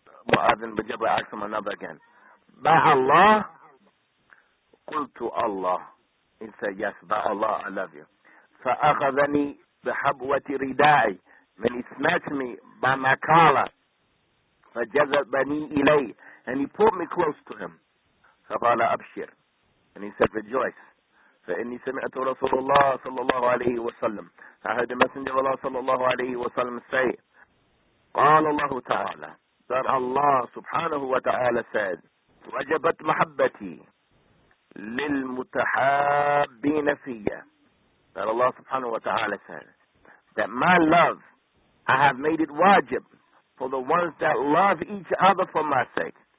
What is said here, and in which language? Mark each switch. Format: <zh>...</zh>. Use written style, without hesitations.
<en>Mu'adh ibn Jabal asked him another again, by Allah? Qultu Allah. He said, yes, by Allah, I love you.</en> <ar>فَأَخَذَنِي بِحَبْوَةِ رِدَائِ.</ar> <en>When he snatched me by my collar,</en> <ar>فَجَذَبَنِي إِلَيْهِ.</ar> <en>And he pulled me close to him.</en> <ar>فَقَالَ أَبْشِرْ.</ar> <en>And he said, rejoice.</en> <ar>فَإِنِّي سَمِعْتُ رَسُولُ اللَّهِ صَلَّى اللَّهُ عَلَيْهِ وَسَلَّمُ.</ar> <en>I heard the Messenger of Allah</en> <ar>صَلَّى اللَّهُ عَلَيْهِ وَسَلَّمُ say, قَالَ اللَّهُ تَعَالَى.</ar> <en>That Allah subhanahu wa ta'ala said,</en> <ar>وَجَبَتْ مَحَبَّتِي لِلْمُتَحَابِّينَ فِيَّ.</ar> <en>That Allah subhanahu wa ta'ala said, that my love, I have made it wajib for the ones that love each other for my sake.</en>